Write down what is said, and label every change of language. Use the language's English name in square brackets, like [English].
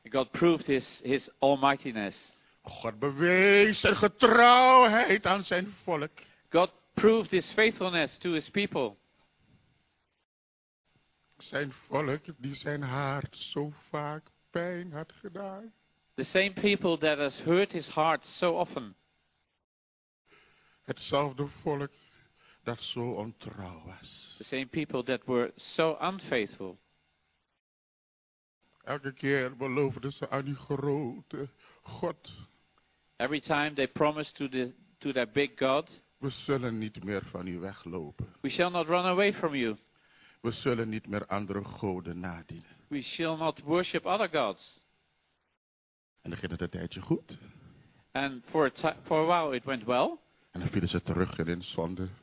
[English] God proved his almightiness. [Dutch] God bewees zijn getrouwheid aan zijn volk. [English] God proved his faithfulness to his people. [Dutch] Zijn volk die zijn hart zo vaak pijn had gedaan. [English] The same people that has hurt his heart so often. [Dutch] Hetzelfde volk dat zo ontrouw was. [English] The same people that were so unfaithful. [Dutch] Elke keer beloofden ze aan die grote God. [English] Every time they promised to their big God. [Dutch] We zullen niet meer van u weglopen. [English] We shall not run away from you. [Dutch] We zullen niet meer andere goden nadienen. [English] We shall not worship other gods. [Dutch] En dan ging het een tijdje goed. [English] And for a while it went well. [Dutch] En dan vielen ze terug in zonde.